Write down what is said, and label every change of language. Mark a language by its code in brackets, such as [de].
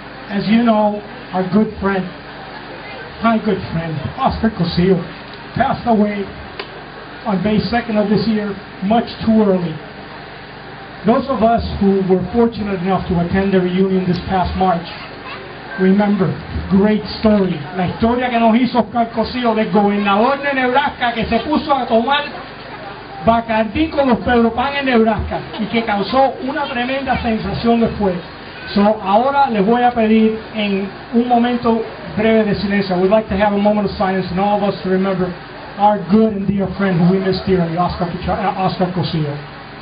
[en] As you know, our good friend, my good friend, Oscar Cosillo, passed away on May 2nd of this year, much too early. Those of us who were fortunate enough to attend the reunion this past March, remember, great story. [es] La historia que nos hizo Oscar Cosillo, del gobernador de Nebraska, que se puso a tomar Bacardí con los pedopan en Nebraska, y que causó una tremenda sensación después. So, ahora les voy a pedir en un momento breve de silencio. [en] We'd like to have a moment of silence and all of us to remember our good and dear friend who we miss dearly, Oscar Cosillo.